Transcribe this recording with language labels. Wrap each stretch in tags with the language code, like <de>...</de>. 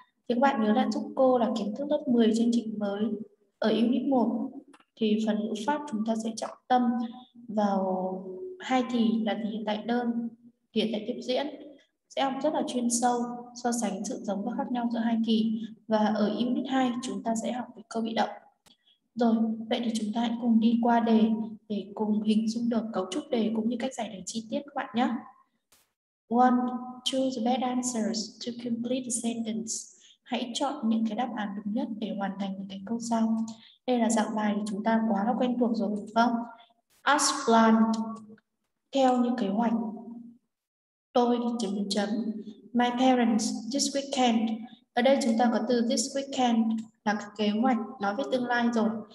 <vi>Thì các bạn nhớ là giúp cô là kiến thức lớp 10 chương trình mới. Ở unit 1 thì phần ngữ pháp chúng ta sẽ trọng tâm vào hai thì là thì hiện tại đơn, hiện tại tiếp diễn, sẽ học rất là chuyên sâu, so sánh sự giống và khác nhau giữa hai kỳ. Và ở unit 2 chúng ta sẽ học về câu bị động. Rồi, vậy thì chúng ta hãy cùng đi qua đề để cùng hình dung được cấu trúc đề cũng như cách giải đề chi tiết các bạn nhé. 1.</vi> <en>Choose the best answers to complete the sentence.</en> <vi>Hãy chọn những cái đáp án đúng nhất để hoàn thành những cái câu sau. Đây là dạng bài chúng ta quá là quen thuộc rồi, đúng không?</vi> <en>As planned,</en> <vi>theo như kế hoạch. Tôi chấm chấm.</vi> <en>My parents this weekend.</en> <vi>Ở đây chúng ta có từ this weekend là kế hoạch, nói về tương lai rồi.</vi>